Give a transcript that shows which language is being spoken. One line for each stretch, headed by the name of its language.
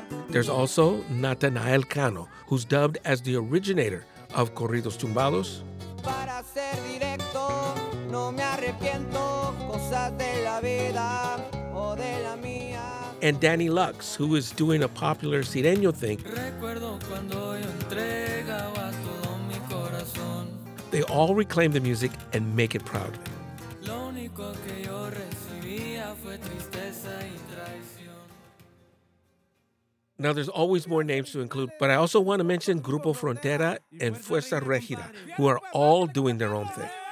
English: There's also Natanael Cano, who's dubbed as the originator of Corridos Tumbados.
Spanish: Para ser directo, no me arrepiento, cosas de la vida o de la mía.
English: And Danny Lux, who is doing a popular sireño thing.
Spanish: Recuerdo cuando yo entregaba todo mi corazón.
English: They all reclaim the music and make it proud.
Spanish: Lo único que yo recibía fue tristeza y traición.
English: Now, there's always more names to include, but I also want to mention Grupo Frontera and Fuerza Regida, who are all doing their own thing.